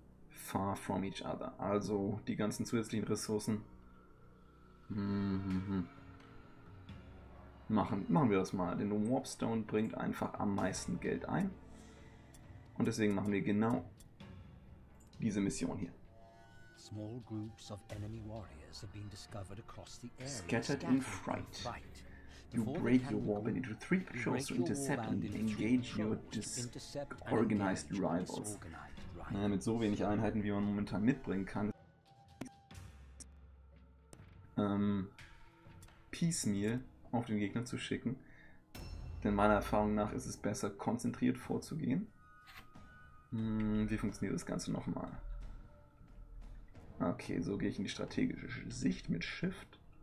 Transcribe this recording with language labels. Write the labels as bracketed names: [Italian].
[English] Far from each other. [German] Also die ganzen zusätzlichen Ressourcen. Machen wir das mal. Denn Warpstone bringt einfach am meisten Geld ein. Und deswegen machen wir genau diese Mission hier. [English] Small groups of enemy warriors have been discovered across the area. Scattered in fright. You break your warband into three patrols to intercept and engage your disorganized rivals. [German] Naja, mit so wenig Einheiten, wie man momentan mitbringen kann. Piecemeal auf den Gegner zu schicken. Denn meiner Erfahrung nach ist es besser, konzentriert vorzugehen. Wie funktioniert das Ganze nochmal? Okay, so gehe ich in die strategische Sicht mit Shift.